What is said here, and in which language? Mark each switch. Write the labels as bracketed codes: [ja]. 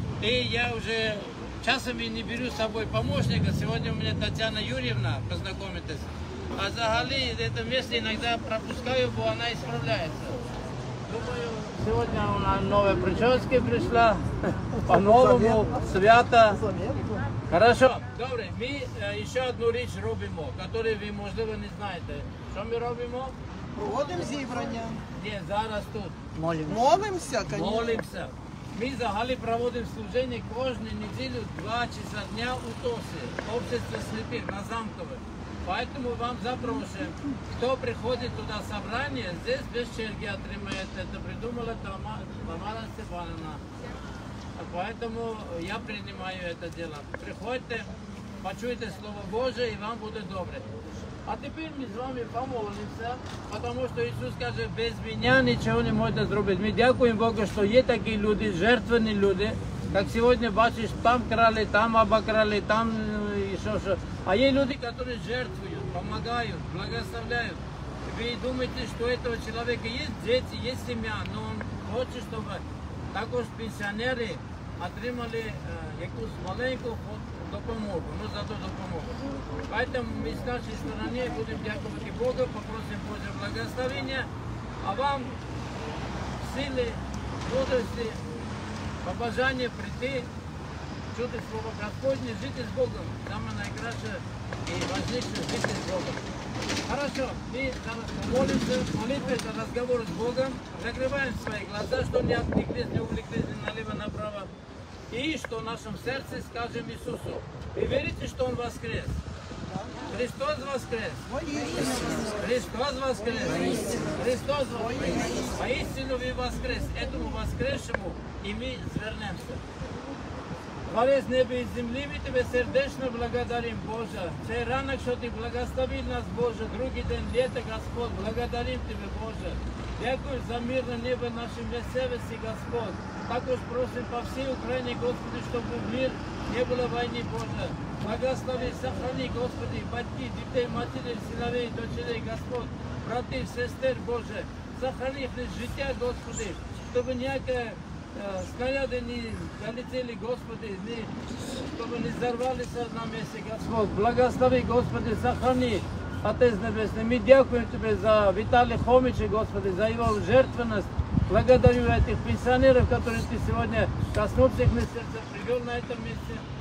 [ru] И я уже часом не беру с собой помощника. Сегодня у меня Татьяна Юрьевна, познакомитесь. [uk] А взагалі [ru] это место иногда пропускаю, [uk] бо [ru] она исправляется. Думаю, сегодня у нас новые прически пришла. По-новому, свято. Хорошо. [uk] Добре, ми ще одну річ робимо, яку ви, можливо, не знаєте. Що ми робимо? Проводимо зібрання. Ні, зараз тут. Молимося, звісно. Молимося. Ми взагалі проводимо служення кожну неділю 2 часа дня у ТОСі, Обществі сліпих, на Замкове. [ru] Поэтому [uk] вам запрошуємо. Хто приходить туди зібрання, [ru] здесь [uk] без черги отримаєте. Це придумала Тамара Степановна. [ru] Поэтому я принимаю это дело. Приходите, почуйте Слово Божие, и вам будет [uk] добре. [ru] А теперь мы с вами помолимся, потому что Иисус скажет, без меня ничего не можете сделать. Мы [uk] дякуем [ru] Богу, что есть такие люди, жертвенные люди, как сегодня, [uk] бачишь, [ru] там крали, там обокрали, там еще что. А есть люди, которые жертвуют, помогают, благословляют. Вы думаете, что у этого человека есть дети, есть семья, но он хочет, чтобы... [uk] Також пенсіонери отримали якусь маленьку допомогу, ну за ту допомогу. [ru] Поэтому [uk] ми з нашої сторони будемо дякувати Богу, попросимо Боже благословення, а вам сили, мудрості, побажання прийти, чути Слово Господнє, жити з Богом. Саме найкраще і важливіше жити з Богом. [ru] Хорошо, мы [uk] зараз [ru] молимся, молитвы за разговор с Богом, закрываем свои глаза, что не отвлеклись, не увлеклись ни налево, ни направо. И что в нашем сердце скажем Иисусу. Вы верите, что Он воскрес? Христос воскрес! Христос воскрес! Христос воскрес! Поистину вы воскрес! Этому воскресшему и мы свернемся. [uk] Творець неба і землі, ми тебе сердечно благодарим, Боже. Цей ранок, що ти благословив нас, Боже. Другий день, літо, Господь, благодарим тебе, Боже. Дякую за мирне небо нашій місцевості, Господь. Також просимо по всій Україні, Господи, щоб у мир не було війни, Боже. Благослови, сохрани, Господи, батьки, дітей, матерів, синовей, дочерей, Господь. Братів, сестер, Боже, сохрани їх життя, Господи, щоб ніяке... [ru] Снаряди не залетели, Господи, чтобы не взорвалися на месте, Господь. Благослови, Господи, сохрани, Отец Небесный. Мы дякуем Тебе за Виталия Хомича, Господи, за его жертвенность. Благодарю этих пенсионеров, которые Ты сегодня коснулся их на сердце, привел на этом месте.